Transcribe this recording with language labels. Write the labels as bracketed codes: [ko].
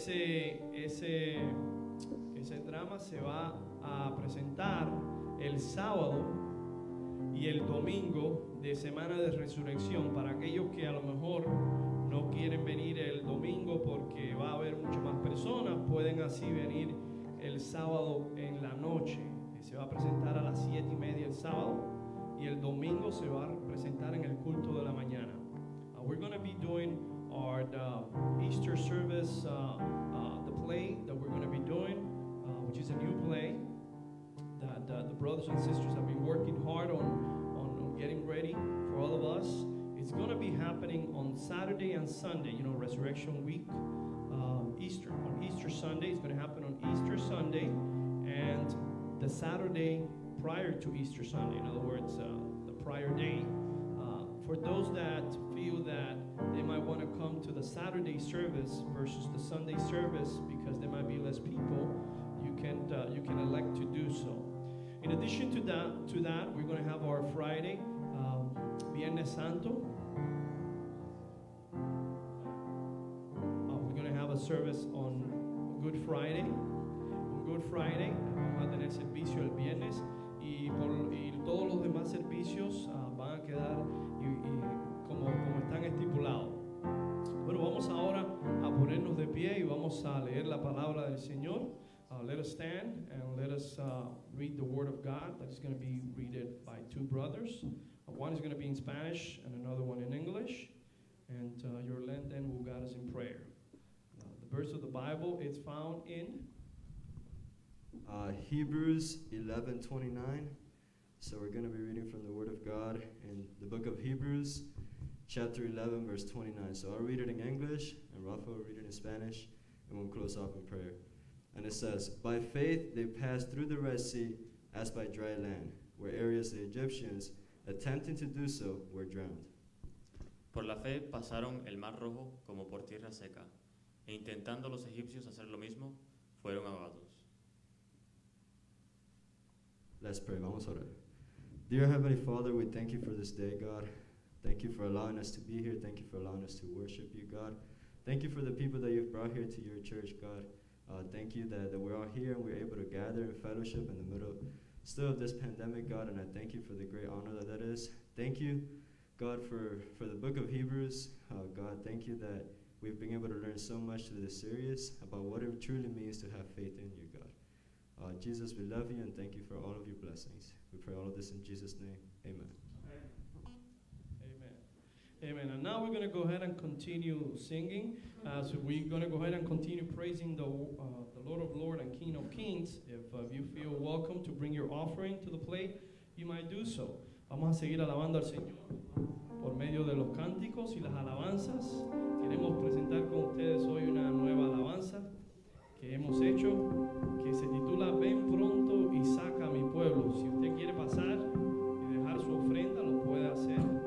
[es] Ese drama se va a presentar el sábado y el domingo de Semana de Resurrección, para aquellos que a lo mejor no quieren venir el domingo porque va a haber mucho más personas, pueden así venir el sábado en la noche. Se va a presentar a las 7:30 el sábado, y el domingo se va a presentar en el culto de la mañana. [en] We're going to be doing our Easter service, the play that we're going to be doing, which is a new play that the brothers and sisters have been working hard on getting ready for all of us. It's going to be happening on Saturday and Sunday, you know, Resurrection Week, Easter, on Easter Sunday. It's going to happen on Easter Sunday and the Saturday prior to Easter Sunday, in other words, the prior day. For those that feel that they might want to come to the Saturday service versus the Sunday service because there might be less people, you can elect to do so. In addition to that, we're going to have our Friday, Viernes Santo. We're going to have a service on Good Friday. On Good Friday, [es] vamos a tener servicio el viernes, y todos los demás servicios van a quedar como están estipulados. Bueno, vamos ahora a ponernos de pie y vamos a leer la palabra del Señor. [en] Let us stand and let us read the word of God. That is going to be read by two brothers. One is going to be in Spanish and another one in English. And your land then will guide us in prayer. The verse of the Bible is found in Hebrews 11:29. So we're going to be reading from the word of God in the book of Hebrews, chapter 11, verse 29. So I'll read it in English, and Rafa will read it in Spanish, and we'll close off in prayer. And it says, by faith they passed through the Red Sea as by dry land, where areas the Egyptians, attempting to do so, were drowned. [es] Por la fe pasaron el Mar Rojo como por tierra seca, e intentando los egipcios hacer lo mismo, fueron ahogados. [en] Let's pray. [es] Vamos a orar. [en] Dear Heavenly Father, we thank you for this day, God. Thank you for allowing us to be here. Thank you for allowing us to worship you, God. Thank you for the people that you've brought here to your church, God. Thank you that we're all here and we're able to gather in fellowship in the middle still of this pandemic, God. And I thank you for the great honor that is. Thank you, God, for the book of Hebrews. God, thank you that we've been able to learn so much through this series about what it truly means to have faith in you, God. Jesus, we love you and thank you for all of your blessings. We pray all of this in Jesus' name. Amen. Amen. And now we're going to go ahead and continue singing. So we're going to go ahead and continue praising the Lord of Lords and King of Kings. If you feel welcome to bring your offering to the plate, you might do so. [es] Vamos a seguir alabando al Señor por medio de los cánticos y las alabanzas. Queremos presentar con ustedes hoy una nueva alabanza que hemos hecho, que se titula Ven Pronto y Saca a Mi Pueblo. Si usted quiere pasar y dejar su ofrenda, lo puede hacer.